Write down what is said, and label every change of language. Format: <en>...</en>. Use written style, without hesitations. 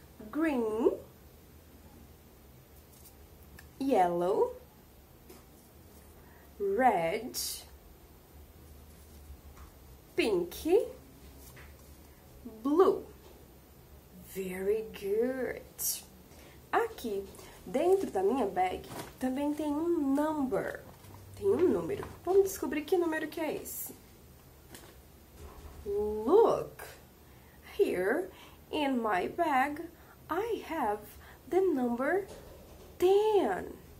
<en>Green, yellow, red, pinky, blue. Very good.</en> <pt>Aqui dentro da minha bag também tem um number. Tem um número. Vamos descobrir que número que é esse.</pt> <en>Look. Here in my bag, I have the number 10.</en>